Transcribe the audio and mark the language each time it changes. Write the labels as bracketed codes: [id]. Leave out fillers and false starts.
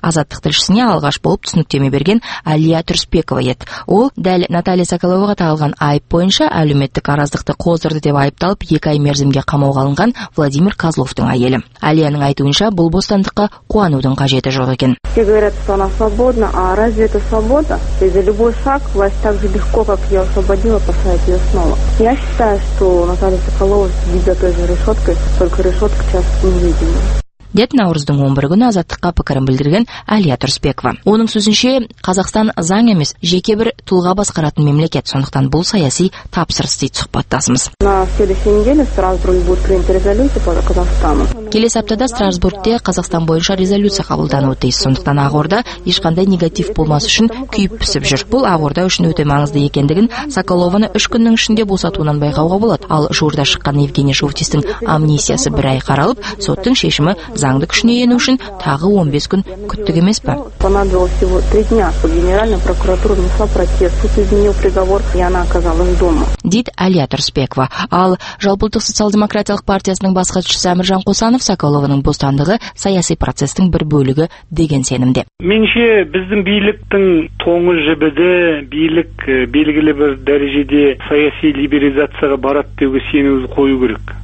[kk] Азаттық тілшісіне алғаш болып түсініктеме берген Алия Түрспекова еді. Ол дәл Наталья Соколоваға тағылған айып бойынша әлеуметтік араздықты қоздырды деп айыпталып, 2 2 ай мерзімге қамауға алынған Владимир Козловтың әйелі. Алияның айтуынша, бұл бостандыққа қуанудың қажеті жоқ екен. [ru] Все говорят, что она свободна, а разве это свобода? Ведь любой шаг власть так же легко, как я освободила, посадить ее снова. Я считаю, что Наталья Соколова сидит за той же решеткой, только решетка часто невидима. [kk] Деп Наурыздың 11 күні азаттыққа пікірін білдірген Әлия Тұрысбекова. Оның сөзінше, Қазақстан заң емес, жеке бір тұлға басқаратын мемлекет, сондықтан бұл саяси тапсырыс дейді сұхбаттасымыз. Келесі аптада Страсбургте Қазақстан бойынша резолюция қабылдануы тиіс, сондықтан Ақорда ешқандай негатив болмас үшін күйіп пісіп жүр. Бұл Ақорда үшін өте маңызды екендігін Соколованы 3 күннің ішінде босатуынан байқауға болады. Ал жуырда шыққан Евгений Шовтистің амнистиясы 1 ай қаралып, соттың шешімі заңды күшіне ену үшін тағы 15 күн күттік емес пе? [ru] Понадобилось всего 3 дня. Генеральная прокуратура внесла протест, суд изменил приговор, и она оказалась дома. [kk] Дит Әлия Тұрысбекова. Ал жалпылтық социал-демократиялық партиясының бас хатшысы Әміржан Қосанов Соколованың бостандығы саяси процестің бір бөлігі деген сенімде. Менше біздің биліктің тоңы жібіде билік белгілі бір дәрежеде саяси либерализацияға барады деуге сенімді қою керек.